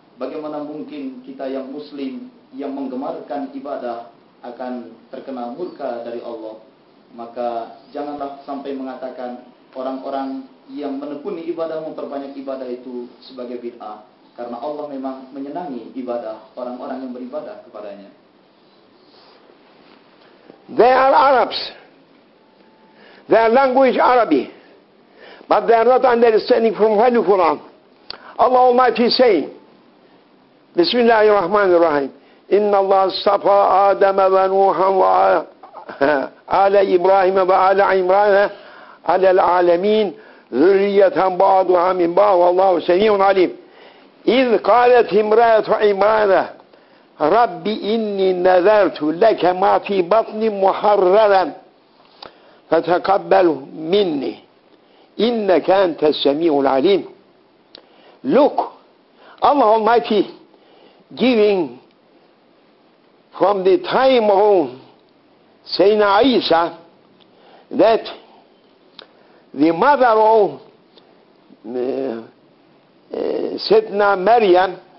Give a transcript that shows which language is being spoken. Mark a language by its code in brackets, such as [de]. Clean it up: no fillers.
[id] Bagaimana mungkin kita yang Muslim yang menggemarkan ibadah akan terkena murka dari Allah? Maka janganlah sampai mengatakan orang-orang yang menekuni ibadah, memperbanyak ibadah itu sebagai bid'ah, karena Allah memang menyenangi ibadah orang-orang yang beribadah kepadanya. [en] They are Arabs. Their language Arabic, but they are not understanding from the Holy Quran. Allah Almighty is saying, [ar] بسم الله الرحمن الرحيم إن الله اصطفى آدم ونوحا وآل إبراهيم وآل عمران على العالمين ذرية بعضها من بعض والله سميع عليم إذ قالت امرأة عمران ربي إني نذرت لك ما في بطني محررا فتقبل مني إنك أنت السميع العليم. [en] Look, Allah Almighty giving from the time of Sayyidina Isa, that the mother of Sayyidina Maryam,